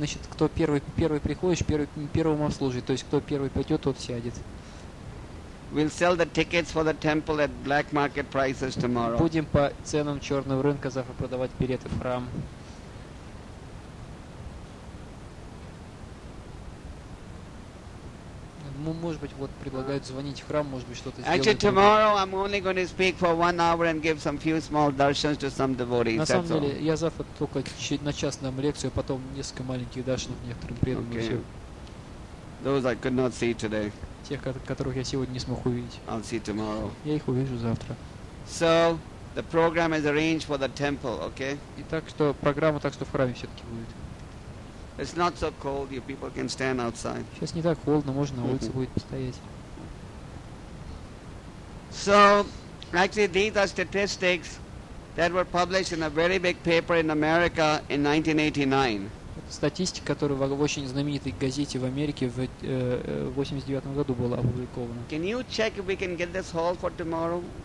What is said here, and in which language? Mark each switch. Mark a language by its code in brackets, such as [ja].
[ru] Кто первый приходишь, первым обслужит. То есть кто первый пойдет, тот сядет. [en] We'll sell the tickets for the temple at black market prices tomorrow. [ru] Будем по ценам черного рынка завтра продавать билеты в храм. Ну, может быть, вот предлагают звонить в храм, может быть, что-то сделать. [en] Actually, tomorrow I'm only going to speak for 1 hour and give some few small darshans to some devotees. [ru] На самом деле, я завтра только на час дам лекцию, потом несколько маленьких даршанов некоторым преданным. [en] Okay. Those I could not see today. [ru] Тех, которых я сегодня не смог увидеть. [en] I'll see tomorrow. [ru] Я их увижу завтра. [en] So, the program is arranged for the temple, okay? [ru] И так что программа так что в храме все-таки будет. [en] It's not so cold, you people can stand outside. [ru] Сейчас не так холодно, можно на улице будет постоять. [en] So, actually, these are statistics that were published in a very big paper in America in 1989. [ru] Статистика, которая в очень знаменитой газете в Америке в 89 году была опубликована. [en] Can you check if we can get this hall for tomorrow?